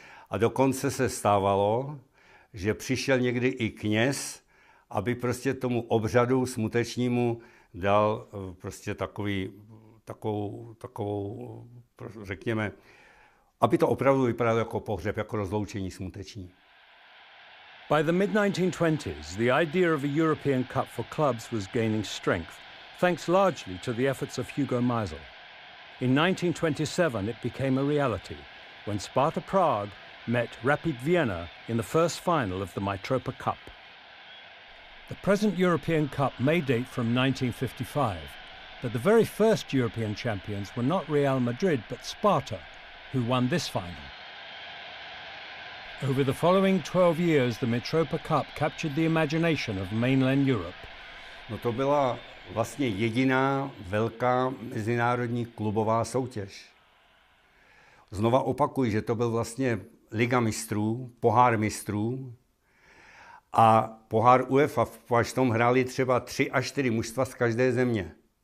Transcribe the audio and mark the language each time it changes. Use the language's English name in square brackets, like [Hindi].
[Czech] A dokonce se stávalo, že přišel někdy i kněz, aby prostě tomu obřadu smutečnímu dal prostě takovou, řekněme, aby to opravdu vypadalo jako pohřeb, jako rozloučení smuteční. [English] By the mid-1920s, the idea of a European Cup for clubs was gaining strength, thanks largely to the efforts of Hugo Meisel. In 1927, it became a reality when Sparta Prague met Rapid Vienna in the first final of the Mitropa Cup. The present European Cup may date from 1955, but the very first European champions were not Real Madrid, but Sparta, who won this final. Over the following 12 years, the Mitropa Cup captured the imagination of mainland Europe. [Czech] No, to byla vlastně jediná velká mezinárodní klubová soutěž. Znova opakuji, že to byl vlastně Liga mistrů, pohár mistrů a pohár UEFA, až tam hráli třeba 3 až 4 mužstva z každé země.